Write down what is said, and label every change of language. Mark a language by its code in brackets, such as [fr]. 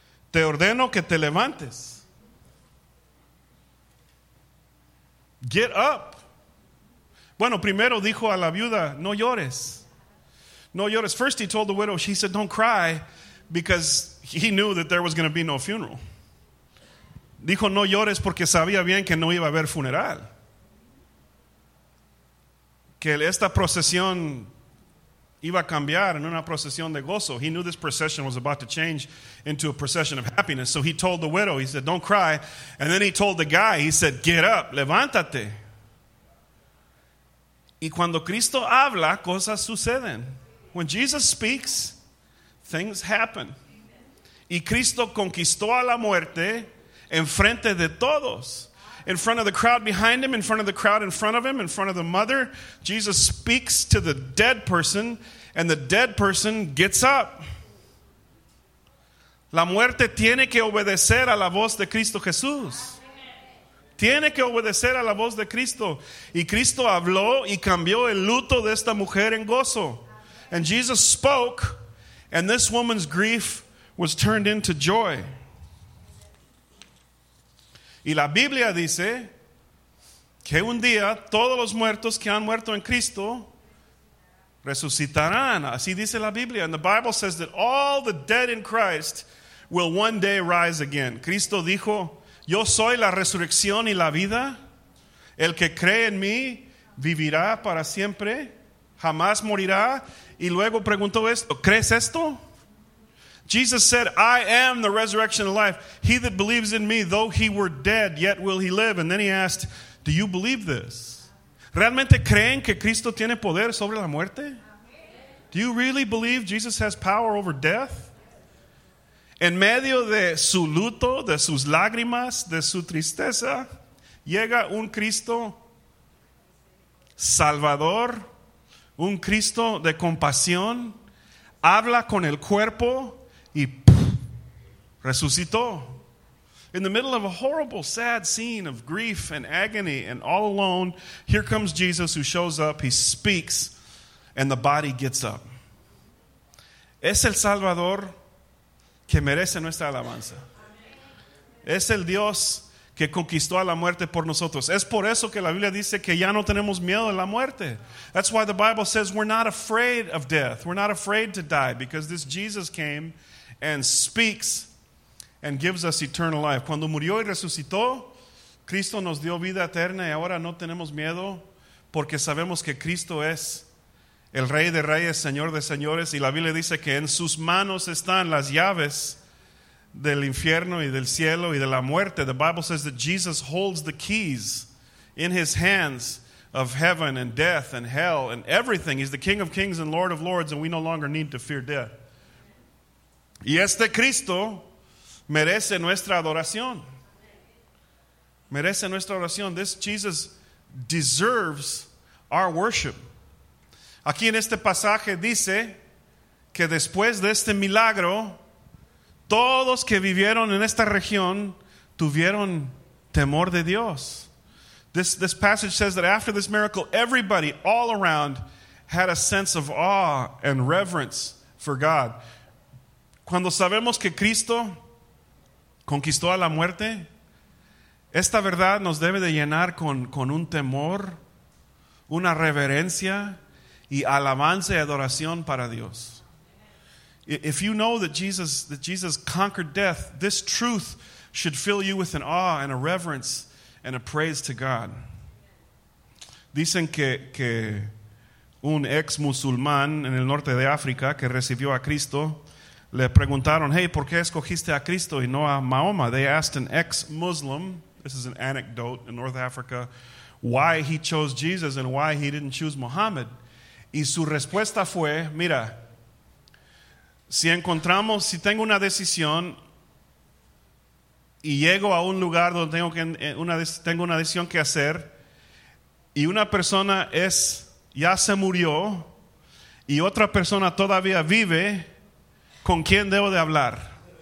[es] Te ordeno que te levantes. [en] Get up. [es] Bueno, primero dijo a la viuda, no llores. No llores. [en] First he told the widow, she said, don't cry, because he knew that there was going to be no funeral. [es] Dijo, no llores, porque sabía bien que no iba a haber funeral. Que esta procesión iba a cambiar en una procesión de gozo. [en] He knew this procession was about to change into a procession of happiness. So he told the widow, he said, don't cry. And then he told the guy, he said, get up, [es] levántate. Y cuando Cristo habla, cosas suceden. [en] When Jesus speaks, things happen. [es] Y Cristo conquistó a la muerte en frente de todos. [en] In front of the crowd behind him, in front of the crowd in front of him, in front of the mother, Jesus speaks to the dead person, and the dead person gets up. [es] La muerte tiene que obedecer a la voz de Cristo Jesús. Tiene que obedecer a la voz de Cristo. Y Cristo habló y cambió el luto de esta mujer en gozo. [en] And Jesus spoke, and this woman's grief was turned into joy. [es] Y la Biblia dice que un día todos los muertos que han muerto en Cristo resucitarán. Así dice la Biblia. [en] And the Bible says that all the dead in Christ will one day rise again. [es] Cristo dijo, yo soy la resurrección y la vida. El que cree en mí vivirá para siempre. Jamás morirá. Y luego preguntó esto, ¿crees esto? [en] Jesus said, I am the resurrection and life. He that believes in me, though he were dead, yet will he live. And then he asked, do you believe this? [es] ¿Realmente creen que Cristo tiene poder sobre la muerte? [en] Do you really believe Jesus has power over death? [es] En medio de su luto, de sus lágrimas, de su tristeza, llega un Cristo salvador, un Cristo de compasión, habla con el cuerpo, y resucitó. [en] In the middle of a horrible, sad scene of grief and agony and all alone, here comes Jesus who shows up, he speaks, and the body gets up. [es] Es el Salvador que merece nuestra alabanza. Es el Dios que conquistó a la muerte por nosotros. Es por eso que la Biblia dice que ya no tenemos miedo a la muerte. [en] That's why the Bible says we're not afraid of death. We're not afraid to die because this Jesus came and speaks and gives us eternal life. [es] Cuando murió y resucitó, Cristo nos dio vida eterna y ahora no tenemos miedo porque sabemos que Cristo es el Rey de Reyes, Señor de Señores, y la Biblia dice que en sus manos están las llaves del infierno y del cielo y de la muerte. [en] The Bible says that Jesus holds the keys in his hands of heaven and death and hell and everything. He's the King of Kings and Lord of Lords, and we no longer need to fear death. [es] Y este Cristo merece nuestra adoración. Merece nuestra adoración. [en] This Jesus deserves our worship. [es] Aquí en este pasaje dice que después de este milagro, todos que vivieron en esta región tuvieron temor de Dios. [en] This passage says that after this miracle, everybody all around had a sense of awe and reverence for God. [es] Cuando sabemos que Cristo conquistó a la muerte, esta verdad nos debe de llenar con un temor, una reverencia y alabanza y adoración para Dios. [en] If you know that Jesus conquered death, this truth should fill you with an awe and a reverence and a praise to God. [es] Dicen que un ex musulmán en el norte de África que recibió a Cristo le preguntaron, hey, ¿por qué escogiste a Cristo y no a Mahoma? [en] They asked an ex-Muslim, this is an anecdote in North Africa, why he chose Jesus and why he didn't choose Muhammad. [es] Y su respuesta fue, mira, si tengo una decisión y llego a un lugar donde tengo una decisión que hacer y una persona ya se murió y otra persona todavía vive, ¿con quién debo de hablar?